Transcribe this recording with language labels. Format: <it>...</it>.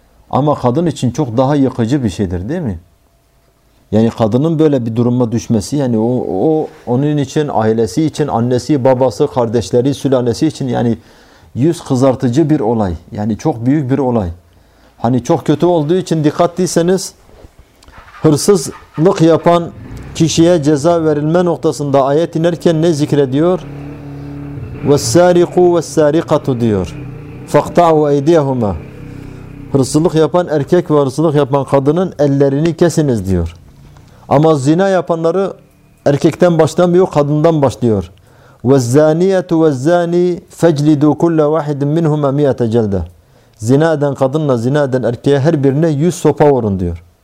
<tr>Ama kadın için çok daha yıkıcı bir şeydir değil mi? Yani kadının böyle bir duruma düşmesi yani o onun için, ailesi için, annesi, babası, kardeşleri, sülalesi için yani yüz kızartıcı bir olay. Yani çok büyük bir olay. Hani çok kötü olduğu için dikkatliyseniz, hırsızlık yapan kişiye ceza verilme noktasında ayet inerken ne zikrediyor?</tr> <ar>وَالسَّارِقُوا وَالسَّارِقَةُ</ar> <tr>diyor.</tr> <ar>فَقْتَعُوا اَيْدِيَهُمَا</ar> <tr>Hırsızlık yapan erkek ve hırsızlık yapan kadının ellerini kesiniz diyor. Ama zina yapanları erkekten başlamıyor, kadından başlıyor.</tr> <ar>وَالزَّانِيَةُ وَالزَّانِي فَجْلِدُوا كُلَّ وَاحِدٍ مِّنْهُمَا مِيَةَ جَلْدَ</ar> <tr>Zina eden kadınla zina eden erkeğe her birine 100 sopa vurun diyor.</tr>